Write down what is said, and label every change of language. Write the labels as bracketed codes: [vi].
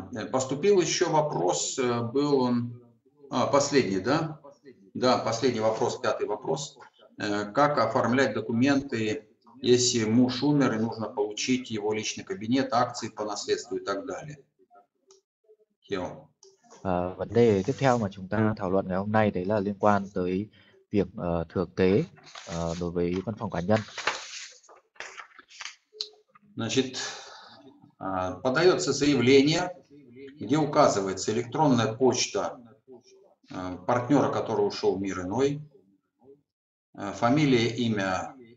[ru] Поступил еще вопрос, был он... последний, да? Да, последний вопрос, пятый вопрос. Как оформлять документы, если муж умер, и нужно получить его личный кабинет, акции по наследству и так далее? Хео. [vi] Vấn đề tiếp theo mà chúng ta thảo luận ngày hôm nay đấy là liên quan tới việc thừa kế đối với văn phòng cá nhân. [ru] Значит, подается заявление, где указывается электронная почта партнера, который ушел в мир иной, фамилия, имя,